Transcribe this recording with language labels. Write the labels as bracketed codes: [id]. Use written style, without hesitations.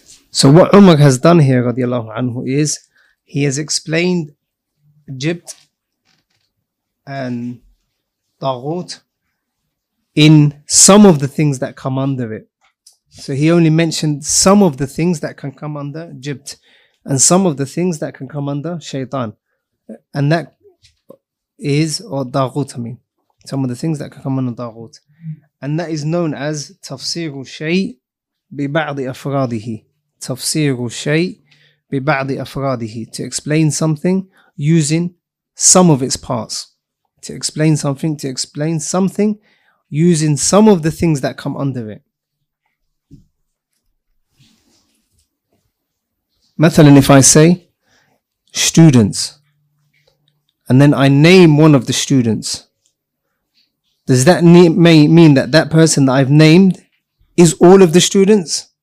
[en] So what Umar has done here, radiallahu anhu, is he has explained Jibt and Taghut in some of the things that come under it. So he only mentioned some of the things that can come under Jibt and some of the things that can come under Shaytan. And that is, or Taghut, I mean, some of the things that can come under Taghut. And that is known as [ar] تفسير الشيء ببعض أفراده. تفسير الشيء ببعض أفراده. [en] To explain something using some of its parts. To explain something using some of the things that come under it. [ar] مثلا, [en] if I say students, and then I name one of the students, does that mean that that person that I've named is all of the students?